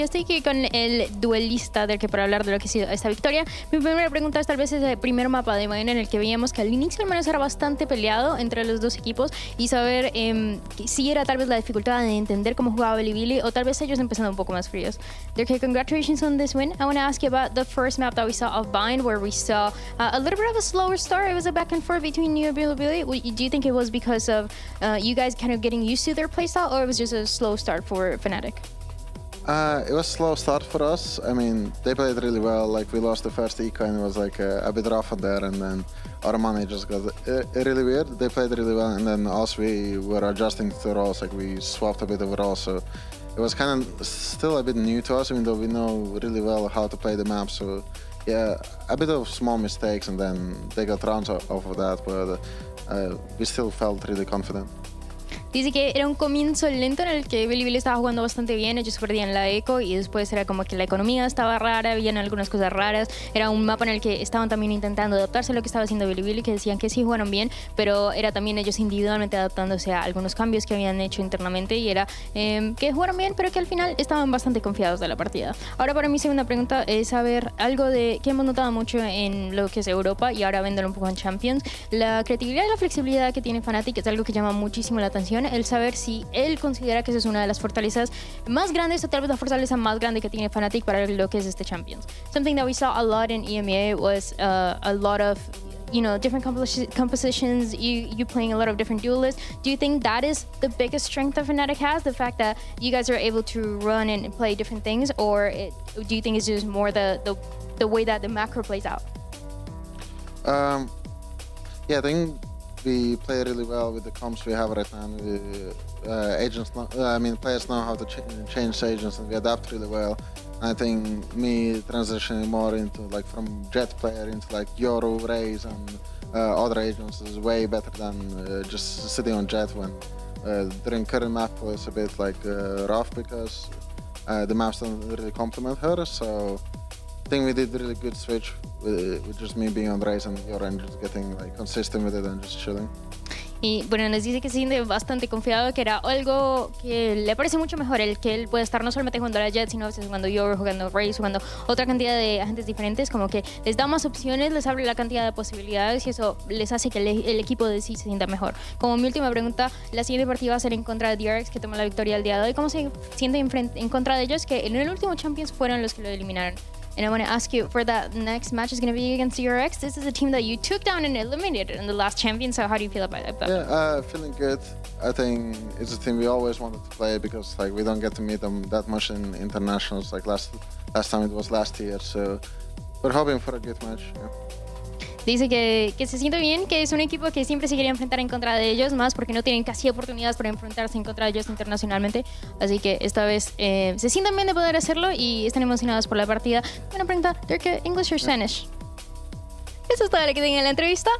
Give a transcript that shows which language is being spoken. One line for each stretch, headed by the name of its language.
Spanish: Estoy aquí con el duelista del que para hablar de lo que ha sido esta victoria. Mi primera pregunta es tal vez ese primer mapa de Vayne en el que veíamos que al inicio al menos era bastante peleado entre los dos equipos y saber si era tal vez la dificultad de entender cómo jugaba Bilibili o tal vez ellos empezando un poco más fríos.
English: Derke, congratulations on this win. I want to ask you about the first map that we saw of Vayne where we saw a little bit of a slower start. It was a back and forth between you and Bilibili. Do you think it was because of you guys kind of getting used to their playstyle or it was just a slow start for Fnatic? It was a slow start for us. I mean, they played really well. Like, we lost the first eco and it was like a bit rough on there, and then our money just got really weird. They played really well, and then us, we were adjusting to the roles. Like, we swapped a bit of roles, so it was kind of still a bit new to us, even though we know really well how to play the map. So yeah, a bit of small mistakes, and then they got rounds off of that, but we still felt really confident.
Spanish: Dice que era un comienzo lento en el que Bilibili estaba jugando bastante bien, ellos perdían la eco y después era como que la economía estaba rara, habían algunas cosas raras, era un mapa en el que estaban también intentando adaptarse a lo que estaba haciendo Bilibili, que decían que sí jugaron bien, pero era también ellos individualmente adaptándose a algunos cambios que habían hecho internamente y era que jugaron bien, pero que al final estaban bastante confiados de la partida. Ahora para mi segunda pregunta es saber algo de que hemos notado mucho en lo que es Europa y ahora viéndolo un poco en Champions, la creatividad y la flexibilidad que tiene Fnatic es algo que llama muchísimo la atención. El saber si él considera que esa es una de las fortalezas más grandes o tal vez la fortaleza más grande que tiene Fnatic para lo que es este Champions.
English: Something that we saw a lot in EMEA was a lot of you know, different compositions, you playing a lot of different duelists. Do you think that is the biggest strength that Fnatic has, the fact that you guys are able to run and play different things, or do you think it's just more the way that the macro plays out? Yeah, I think we play really well with the comps we have right now. Players know how to change agents, and we adapt really well. I think me transitioning more into like from Jett player into like Yoru, Raze, and other agents is way better than just sitting on Jett when during current map was a bit like rough because the maps don't really complement her. So I think we did a really good switch with just me being on Raze and Yoru and just getting like consistent with it and just chilling.
Spanish: Y bueno, nos dice que se siente bastante confiado, que era algo que le parece mucho mejor, el que él puede estar no solamente jugando a la Jett, sino a veces jugando Yoru, jugando Raze, jugando otra cantidad de agentes diferentes, como que les da más opciones, les abre la cantidad de posibilidades y eso les hace que el equipo de sí se sienta mejor. Como mi última pregunta, la siguiente partida va a ser en contra de DRX, que toma la victoria el día de hoy. ¿Cómo se siente en contra de ellos? Que en el último Champions fueron los que lo eliminaron.
English: And I want to ask you, for that next match is going to be against DRX. This is a team that you took down and eliminated in the last champion. So how do you feel about that? Yeah, feeling good. I think it's a team we always wanted to play because like we don't get to meet them that much in internationals. Like last time it was last year. So we're hoping for a good match. Yeah.
Spanish: Dice que se siente bien, que es un equipo que siempre se quería enfrentar en contra de ellos, más porque no tienen casi oportunidades para enfrentarse en contra de ellos internacionalmente. Así que esta vez se sienten bien de poder hacerlo y están emocionados por la partida. Bueno, pregunta, ¿Turk,
English: English or Spanish?
Spanish: Eso es todo lo que tenía en la entrevista.